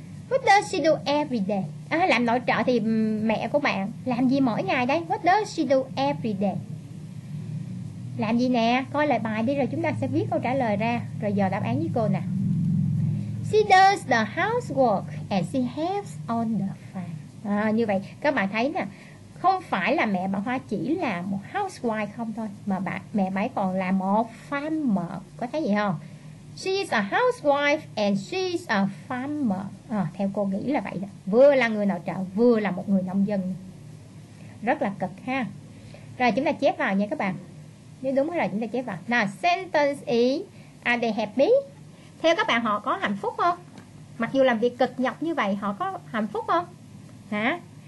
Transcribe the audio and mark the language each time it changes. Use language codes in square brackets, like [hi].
[en] What does she do every day? [vi] À, làm nội trợ thì mẹ của bạn làm gì mỗi ngày đây? [en] What does she do every day? [vi] Làm gì nè? Coi lại bài đi rồi chúng ta sẽ viết câu trả lời ra. Rồi giờ đáp án với cô nè. [en] She does the housework and she helps on the farm. [vi] À, như vậy các bạn thấy nè, không phải là mẹ bà Hoa chỉ là một housewife không thôi, mà mẹ bà ấy còn là một farmer. Có thấy gì không? [en] She is a housewife and she is a farmer. [vi] À, theo cô nghĩ là vậy đó. Vừa là người nội trợ, vừa là một người nông dân. Rất là cực ha. Rồi chúng ta chép vào nha các bạn. Nếu đúng rồi chúng ta chép vào. [en] Now sentence E. Are they happy? [vi] Theo các bạn họ có hạnh phúc không? Mặc dù làm việc cực nhọc như vậy họ có hạnh phúc không? Hả?